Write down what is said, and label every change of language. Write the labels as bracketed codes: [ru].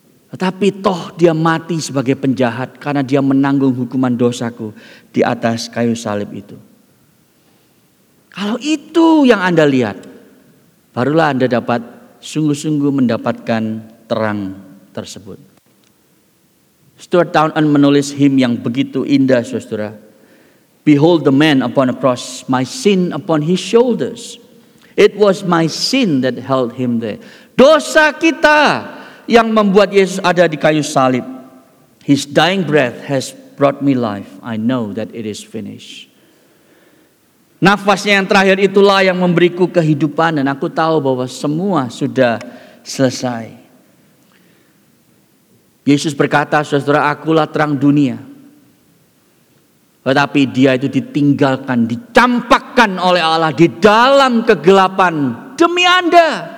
[id] Tetapi toh dia mati sebagai penjahat karena dia menanggung hukuman dosaku di atas kayu salib itu. Kalau itu yang Anda lihat, barulah Anda dapat sungguh-sungguh mendapatkan terang tersebut. Stuart Townend menulis hymn yang begitu indah, saudara. [en] Behold the man upon a cross, my sin upon his shoulders. It was my sin that held him there. [id] Dosa kita yang membuat Yesus ada di kayu salib. [en] His dying breath has brought me life. I know that it is finished. [id] Nafasnya yang terakhir itulah yang memberiku kehidupan dan aku tahu bahwa semua sudah selesai. Yesus berkata, saudara, akulah terang dunia. Tetapi dia itu ditinggalkan, dicampakkan oleh Allah di dalam kegelapan demi Anda.